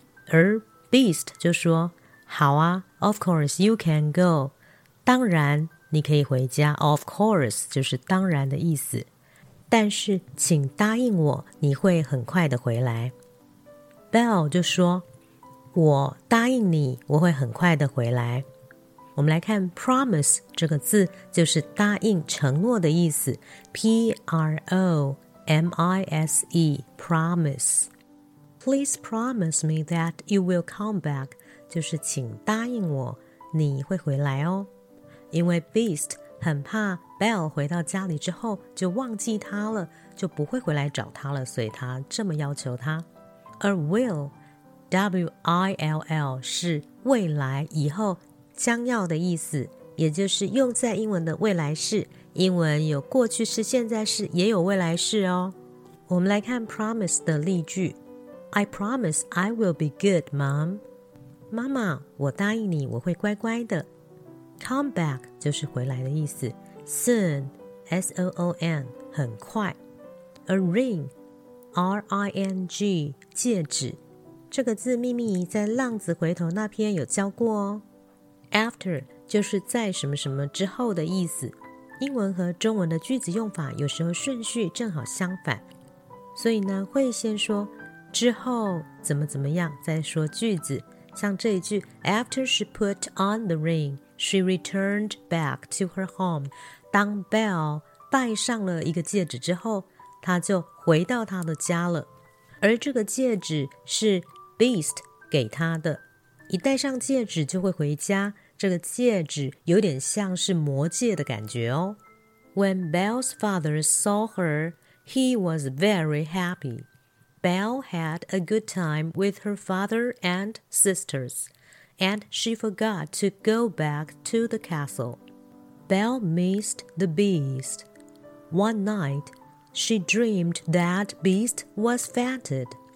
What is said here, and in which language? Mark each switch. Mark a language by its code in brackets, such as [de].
[zh] 而 Beast 就说，好啊， [en] Of course you can go， [zh] 当然你可以回家， Of course 就是当然的意思，但是请答应我你会很快的回来。 Belle 就说，我答应你我会很快的回来。我们来看 promise 这个字，就是答应承诺的意思， P-R-O-M-I-S-E promise。 [en] Please promise me that you will come back， [zh] 就是请答应我你会回来哦。因为 Beast 很怕 Belle 回到家里之后就忘记他了，就不会回来找他了，所以他这么要求他。而 willW-I-L-L 是未来以后将要的意思，也就是用在英文的未来式，英文有过去式现在式也有未来式哦。我们来看 promise 的例句， [en] I promise I will be good mom， [zh] 妈妈我答应你我会乖乖的。 Come back 就是回来的意思， Soon S-O-O-N 很快。 A ring R-I-N-G 戒指，这个字秘密在浪子回头那篇有教过哦。 After 就是在什么什么之后的意思，英文和中文的句子用法有时候顺序正好相反，所以呢会先说之后怎么怎么样再说句子。像这一句 [en] After she put on the ring, she returned back to her home. [zh] 当 Belle 戴上了一个戒指之后，她就回到她的家了。而这个戒指是Beast 给他的，一戴上戒指就会回家，这个戒指有点像是魔戒的感觉哦。 [en] When Belle's father saw her, he was very happy. Belle had a good time with her father and sisters, and she forgot to go back to the castle. Belle missed the Beast. One night, she dreamed that Beast was fainted.